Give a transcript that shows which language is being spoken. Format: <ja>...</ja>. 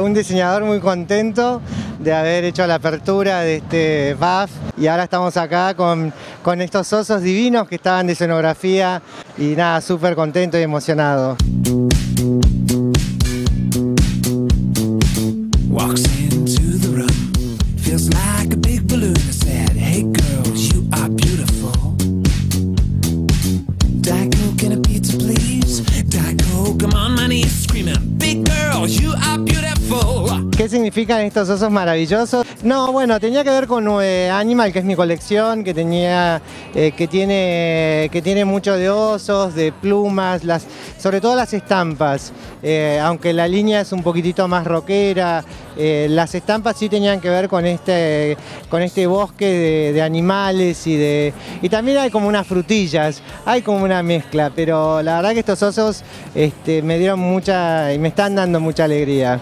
<es>Un diseñador muy contento de haber hecho la apertura de este BAF. Y ahora estamos acá con estos osos divinos que estaban de escenografía. Y nada, súper contento y emocionado.</es> <en>Walks into the room, feels like a big balloon. I said, hey girls, you are beautiful. Diet Coke and a pizza, please. Diet Coke, I'm on my knees screaming, big girls, you are beautiful.</en> <es>¿Qué significan estos osos maravillosos? No, bueno, tenía que ver con Animal, que es mi colección, que tenía, que tiene mucho de osos, de plumas, sobre todo las estampas, aunque la línea es un poquitito más rockera, las estampas sí tenían que ver con este bosque de animales y también hay como unas frutillas, hay como una mezcla, pero la verdad que estos osos me dieron mucha y me están dando mucha alegría.</es>